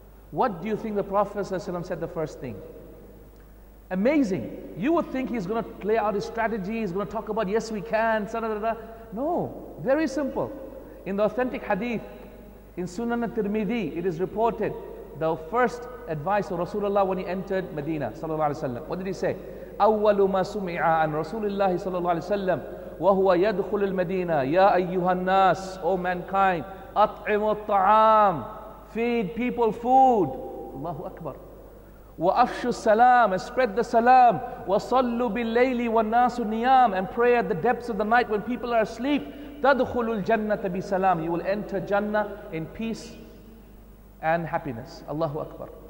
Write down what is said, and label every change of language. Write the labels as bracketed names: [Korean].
[English] What do you think the Prophet ﷺ said the first thing? Amazing. You would think he's going to lay out his strategy, he's going to talk about, yes we can, da-da-da-da. No, very simple. In the authentic hadith, in Sunan al-Tirmidhi, it is reported the first advice of Rasulullah when he entered Medina, sallallahu alayhi wa sallam. What did he say? [Arabic] أَوَّلُ مَا سُمِعَ عَنْ رَسُولِ اللَّهِ صَلَّى اللَّهِ عَلَيْهِ وَسَلَّمَ وَهُوَ يَدْخُلُ الْمَدِينَةِ يَا أَيُّهَا النَّاسِ, [English] O mankind, [Arabic] أَطْعِمُ الطَّعَامِ, [English] feed people food. [Arabic] Allahu Akbar. وَأَفْشُ السَّلَامِ, [English] and spread the salam. [Arabic] وَصَلُّ بِاللَّيْلِ وَالنَّاسُ نِيَامِ, [English] and pray at the depths of the night when people are asleep. [Arabic] تَدْخُلُ الْجَنَّةَ بِسَلَامِ, [English] you will enter Jannah in peace and happiness. Allahu Akbar.